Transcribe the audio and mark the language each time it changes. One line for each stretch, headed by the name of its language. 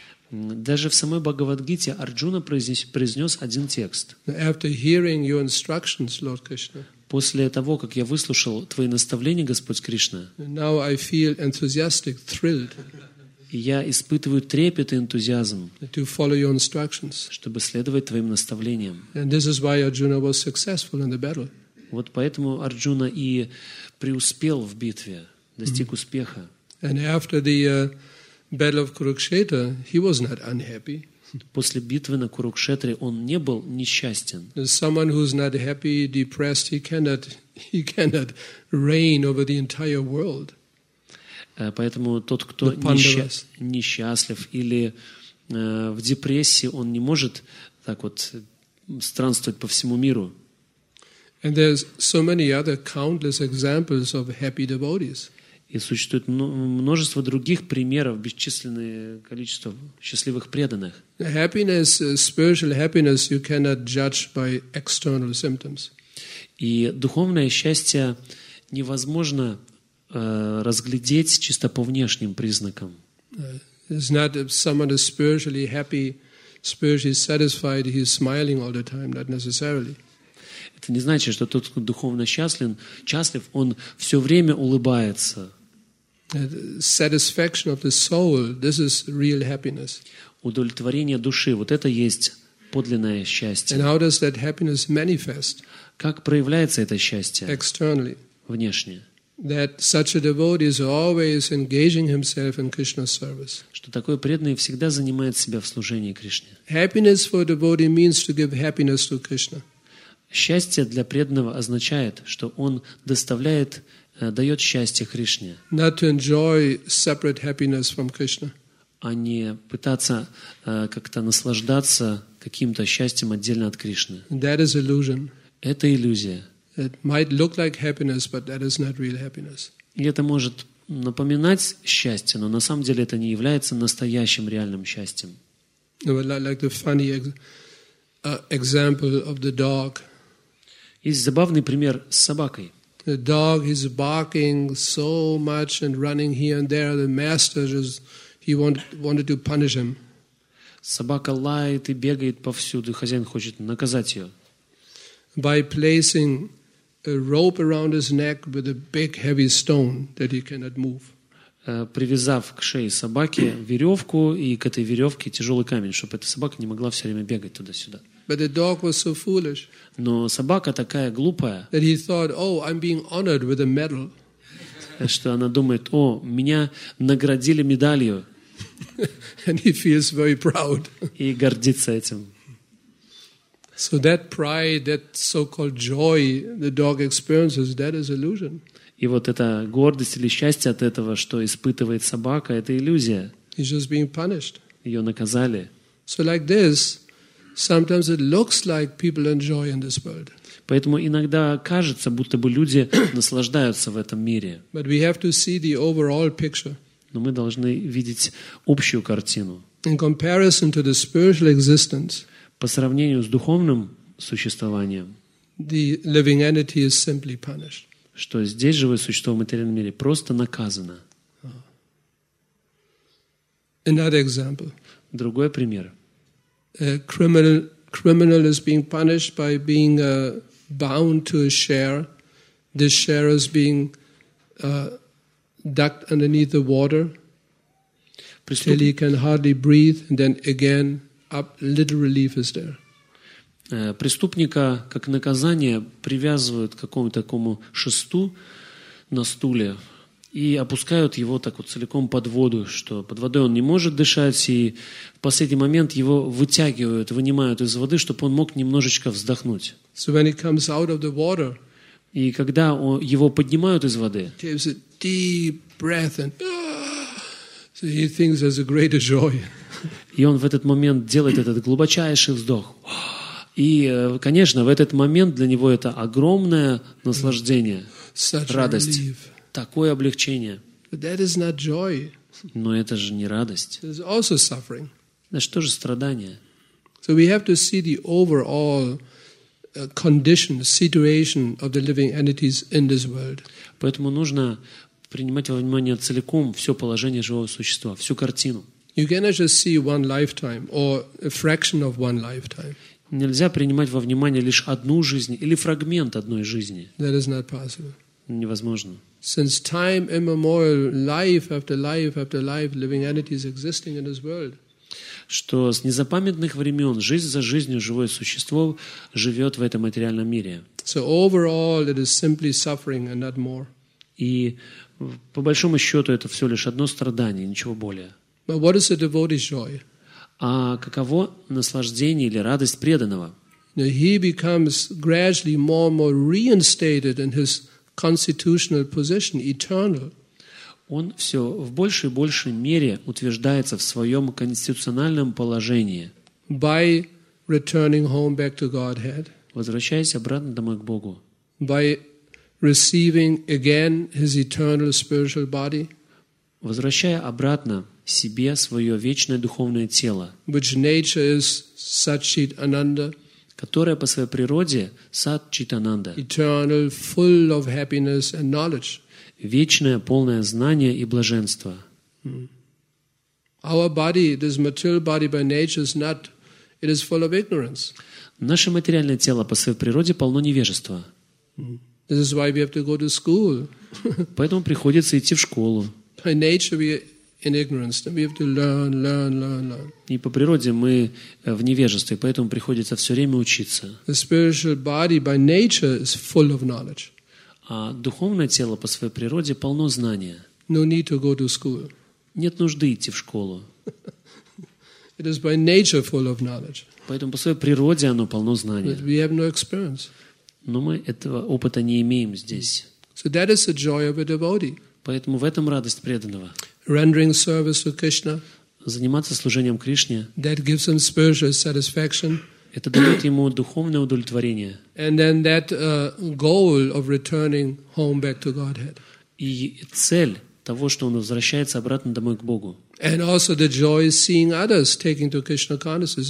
Russian: Даже в самой Бхагавад Гите Арджуна произнес один текст.
English: After hearing your instructions, Lord Krishna.
Russian: После того, как я выслушал твои наставления, Господь Кришна,
English: now I feel enthusiastic, thrilled,
Russian: я испытываю трепет и энтузиазм,
English: to follow your instructions.
Russian: Чтобы следовать твоим наставлениям.
English: And this is why Arjuna was successful in the battle.
Russian: Вот поэтому Арджуна и преуспел в битве, достиг mm-hmm. успеха.
English: And after the battle of Kurukshetra, he was not unhappy.
Russian: После битвы на Курукшетре он не был несчастен.
English: Someone who's not happy, depressed, he cannot reign over the entire world.
Russian: Поэтому тот, кто несчастлив или в депрессии, он не может так вот странствовать по всему миру.
English: And there's so many other countless examples of happy devotees.
Russian: И существует множество других примеров, бесчисленное количество счастливых преданных.
English: Happiness, spiritual happiness, you cannot judge by external symptoms.
Russian: И духовное счастье невозможно разглядеть чисто по внешним признакам.
English: It's not if someone is spiritually happy, spiritually satisfied, he's smiling all the time, not necessarily.
Russian: Это не значит, что тот, кто духовно счастлив, он все время улыбается.
English: Satisfaction of the soul, this is real happiness.
Russian: Удовлетворение души, вот это есть подлинное счастье.
English: And how does that happiness manifest?
Russian: Как проявляется это счастье?
English: Externally.
Russian: Внешне.
English: That such a devotee is always engaging himself in Krishna's service.
Russian: Что такой преданный всегда занимает себя в служении Кришне.
English: Happiness for a devotee means to give happiness to Krishna.
Russian: Счастье для преданного означает, что он доставляет, дает счастье Кришне.
English: Not to enjoy separate happiness from Krishna.
Russian: А не пытаться как-то наслаждаться каким-то счастьем отдельно от Кришны.
English: That is illusion.
Russian: Это иллюзия.
English: It might look like happiness, but that is not real happiness.
Russian: И это может напоминать счастье, но на самом деле это не является настоящим реальным счастьем.
English: Like the funny example of the dog.
Russian: Есть забавный пример с собакой.
English: The dog is barking so much and running here and there. The master just he wanted to punish him.
Russian: Собака лает и бегает повсюду, и хозяин хочет наказать ее.
English: By placing a rope around his neck with a big heavy stone that he cannot move.
Russian: Привязав к шее собаки веревку и к этой веревке тяжелый камень, чтобы эта собака не могла все время бегать туда-сюда.
English: But the dog was so foolish.
Russian: Но собака такая глупая.
English: That he thought, oh, I'm being honored with a medal.
Russian: Что она думает, о, меня наградили медалью.
English: And he feels very proud.
Russian: И гордится этим.
English: So that pride, that so-called joy the dog experiences, that is illusion.
Russian: И вот эта гордость или счастье от этого, что испытывает собака, это иллюзия.
English: He's just being punished.
Russian: Ее наказали.
English: So like this, sometimes it looks like people enjoy in this world.
Russian: Поэтому иногда кажется, будто бы люди наслаждаются в этом мире.
English: But we have to see the overall picture.
Russian: Но мы должны видеть общую картину.
English: In comparison to the spiritual existence,
Russian: по сравнению с духовным существованием,
English: the living entity is simply punished.
Russian: Что здесь живое существо в материальном мире просто наказано.
English: Another example.
Russian: Другой пример.
English: A criminal is being punished by being bound to a share. This share is being ducked underneath the water till he can hardly breathe, and then again up. Little relief is there.
Russian: Преступника как наказание привязывают к какому-то такому шесту на стуле и опускают его так вот целиком под воду, что под водой он не может дышать, и в последний момент его вытягивают, вынимают из воды, чтобы он мог немножечко вздохнуть.
English: So when he comes out of the water,
Russian: и когда он, его поднимают из воды,
English: he takes a deep breath and so he thinks there's a greater joy.
Russian: И он в этот момент делает этот глубочайший вздох. И, конечно, в этот момент для него это огромное наслаждение,
English: such
Russian: радость,
English: relief.
Russian: Такое облегчение.
English: But that is not joy.
Russian: Но это же не радость.
English: It is also suffering.
Russian: Значит, тоже страдание.
English: So we have to see the overall condition, situation of the living entities in this world.
Russian: Поэтому нужно принимать во внимание целиком все положение живого существа, всю картину.
English: You cannot just see one lifetime or a fraction of one lifetime.
Russian: Нельзя принимать во внимание лишь одну жизнь или фрагмент одной жизни.
English: That is not possible.
Russian: Невозможно.
English: Since time immemorial, life after life after life, living entities existing in this world.
Russian: Что с незапамятных времен жизнь за жизнью живое существо живет в этом материальном мире.
English: So overall, it is simply suffering and not more.
Russian: И по большому счету это все лишь одно страдание, ничего более.
English: But what is a devotee's joy?
Russian: А каково наслаждение или радость преданного?
English: He becomes gradually more and more reinstated in his constitutional position, eternal.
Russian: Он все в большей и большей мере утверждается в своем конституциональном положении.
English: By returning home back to Godhead.
Russian: Возвращаясь обратно домой к Богу.
English: By receiving again his eternal spiritual body.
Russian: Возвращая обратно себе свое вечное духовное тело,
English: which nature is Satchit Ananda,
Russian: которое по своей природе Satchit Ananda,
English: eternal, full of happiness and knowledge,
Russian: вечное полное знание и блаженство.
English: Our body, this material body by nature is not, it is full of ignorance.
Russian: Наше материальное тело по своей природе полно невежества.
English: This is why we have to go to school.
Russian: Поэтому приходится идти в школу.
English: By nature we in ignorance, then we have to learn, learn, learn, learn.
Russian: И по природе мы в невежестве, поэтому приходится все время учиться.
English: The spiritual body by nature is full of knowledge.
Russian: А духовное тело по своей природе полно знания.
English: No need to go to school.
Russian: Нет нужды идти в школу.
English: It is by nature full of knowledge.
Russian: Поэтому по своей природе оно полно знания.
English: But we have no experience.
Russian: Но мы этого опыта не имеем здесь.
English: So that is the joy of a devotee.
Russian: Поэтому в этом радость преданного.
English: Rendering service to Krishna.
Russian: Заниматься служением Кришне.
English: That gives him spiritual satisfaction.
Russian: Это дает ему духовное удовлетворение.
English: And then that goal of returning home back to Godhead.
Russian: И цель того, что он возвращается обратно домой к Богу.
English: And also the joy of seeing others taking to Krishna consciousness.